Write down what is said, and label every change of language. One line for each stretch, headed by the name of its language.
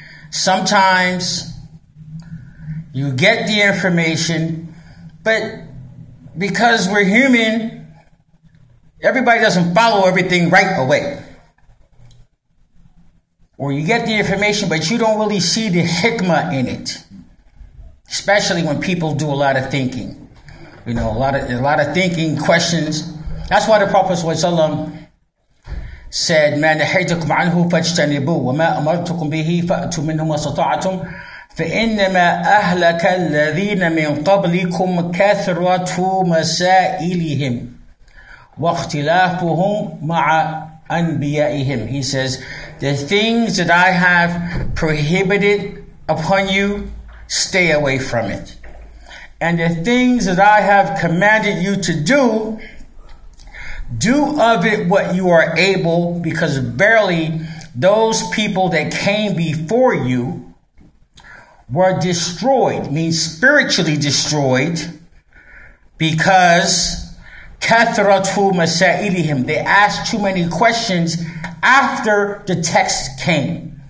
English: Sometimes you get the information, but because we're human, everybody doesn't follow everything right away. Or you get the information, but you don't really see the hikmah in it. Especially when people do a lot of thinking. You know, a lot of thinking, questions. That's why the Prophet ﷺ said,
Arabic: مَا نَحَيْتُكُمْ عَنْهُ فَاجْتَنِبُوا وَمَا أَمَرْتُكُمْ بِهِ فَأْتُوا مِنْهُ مَا سَطَعَتُمْ فَإِنَّمَا أَهْلَكَ الَّذِينَ مِنْ قَبْلِكُمْ كَثْرَةُ مَسَائِلِهِمْ وَاخْتِلَافُهُمْ مَعَ أَنْبِيَائِهِمْ.
English: He says, the things that I have prohibited upon you, stay away from it. And the things that I have commanded you to do, do of it what you are able, because verily those people that came before you were destroyed, means spiritually destroyed, because
Arabic: كَثْرَةُ مَسَائِلِهِمْ,
English: they asked too many questions after the text came.